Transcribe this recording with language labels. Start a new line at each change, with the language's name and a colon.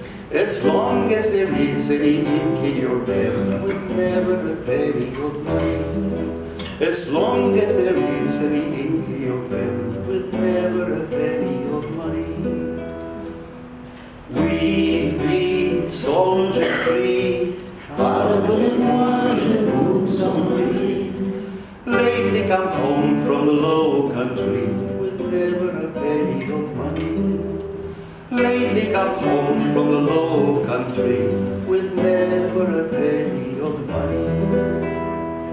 English: As long as there is any ink in your pen, with never a penny of money. As long as there is any ink in your pen, with never a penny of money. We be soldiers free,
French: pardonnez-moi, je vous en prie.
English: Lately come home from the low country, with never a penny of money. Lately come home from the low country with never a penny of money.